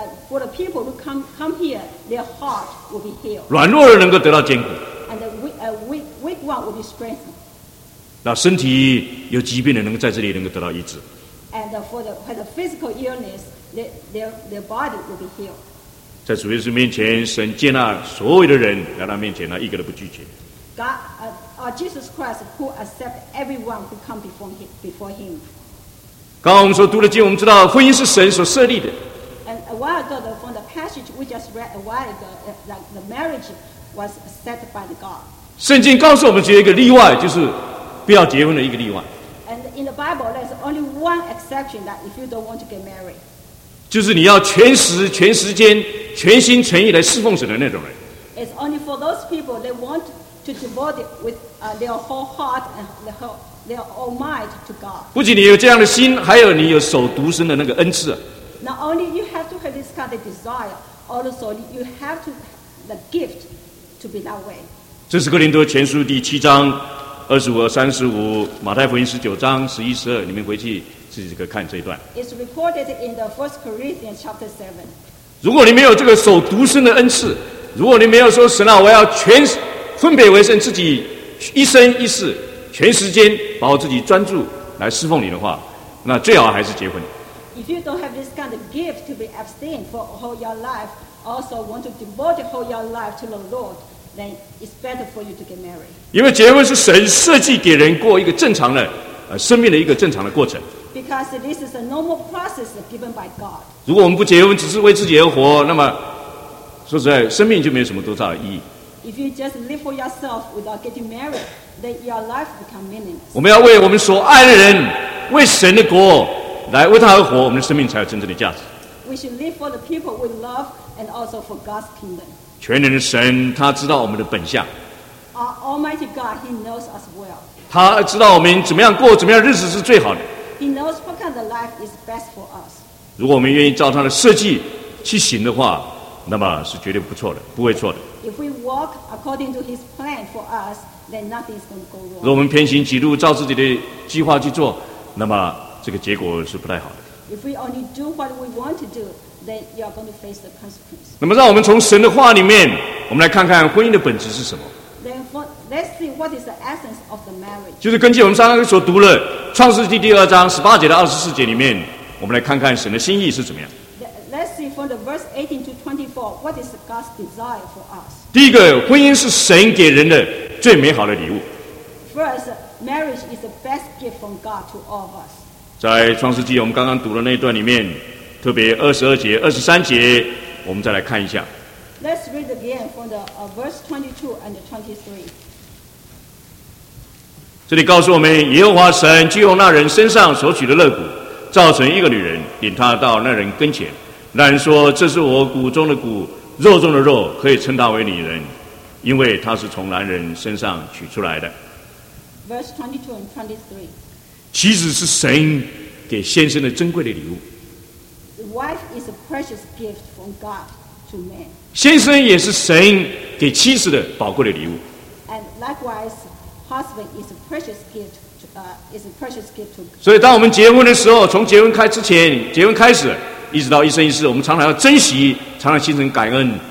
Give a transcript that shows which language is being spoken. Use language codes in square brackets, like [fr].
[en] For the people who come here, their heart will be healed. [zh] 软弱人能够得到坚固。 [en] And the weak one will be strengthened. [zh] 那身体有疾病的能够在这里能够得到医治。 [en] And for the physical illness, their body will be healed. [zh] 在主耶稣面前，神接纳所有的人来到面前，他一个都不拒绝。 [en] God, Jesus Christ, who accept everyone who come before him. [zh] 刚刚我们说读了经，我们知道婚姻是神所设立的。 [en] And a while ago, from the passage we just read a while ago, that the marriage was set by God. [zh] 圣经告诉我们只有一个例外，就是不要结婚的一个例外。 [en] And in the Bible, there's only one exception that if you don't want to get married. [zh] 就是你要全时、全时间、全心全意来侍奉神的那种人。 [en] It's only for those people they want to devote it with their whole heart and their whole mind to God. [zh] 不仅你有这样的心，还有你有守独身的那个恩赐。 [en] Not only you have to have this kind of desire, also you have to have the gift to be that way. [zh] 这是哥林多前书第七章25-35，马太福音19:11-12，你们回去自己看这一段。 [en] It's recorded in the First Corinthians chapter 7. [zh] 如果你没有这个守独身的恩赐，如果你没有说神啊，我要全。分别为圣，自己一生一世全时间把我自己专注来侍奉你的话，那最好还是结婚。 [en] If you don't have this kind of gift to be abstain for all your life, also want to devote all your life to the Lord, then it's better for you to get married. [zh] 因为结婚是神设计给人过一个正常的生命的一个正常的过程。 [en] Because this is a normal process given by God. [zh] 如果我们不结婚，只是为自己而活，那么说实在，生命就没有什么多大的意义。 [en] If you just live for yourself without getting married, then your life becomes meaningless. [zh] 我们要为我们所爱的人，为神的国，来为他而活，我们的生命才有真正的价值。 [en] We should live for the people we love and also for God's kingdom. [zh] 全能的神，他知道我们的本相。 [en] Our Almighty God, He knows us well. [zh] 他知道我们怎么样过，怎么样日子是最好的。 [en] He knows what kind of life is best for us. [zh] 如果我们愿意照他的设计去行的话，那么是绝对不错的，不会错的。 [en] If we walk according to His plan for us, then nothing is going to go wrong. [zh] 如果我们偏行歧路，照自己的计划去做，那么这个结果是不太好的。 [en] If we only do what we want to do, then you are going to face the consequence. [zh] 那么让我们从神的话里面，我们来看看婚姻的本质是什么。 [en] Then let's see what is the essence of the marriage. [zh] 就是根据我们刚刚所读的创世纪第二章十八节到二十四节里面，我们来看看神的心意是怎么样。 [en] Let's see from the verse 18 to 24, what is God's desire for us? [zh] 第一个，婚姻是神给人的最美好的礼物。 [en] First, marriage is the best gift from God to all of us. [zh] 在创世纪我们刚刚读的那一段里面，特别二十二节、二十三节，我们再来看一下。 [en] Let's read again from the verse 22 and 23. [zh] 这里告诉我们，耶和华神就用那人身上所取的肋骨，造成一个女人，领她到那人跟前。那人说：“这是我骨中的骨，肉中的肉，可以称她为女人，因为她是从男人身上取出来的。” [en] Verse 22 and 23. [zh] 妻子是神给先生的珍贵的礼物。 [en] The wife is a precious gift from God to man. [zh] 先生也是神给妻子的宝贵的礼物。 [en] And likewise, husband is a precious gift to, is a precious gift to. [zh] 所以，当我们结婚的时候，从结婚开之前，结婚开始，一直到一生一世，我们常常要珍惜，常常心存感恩。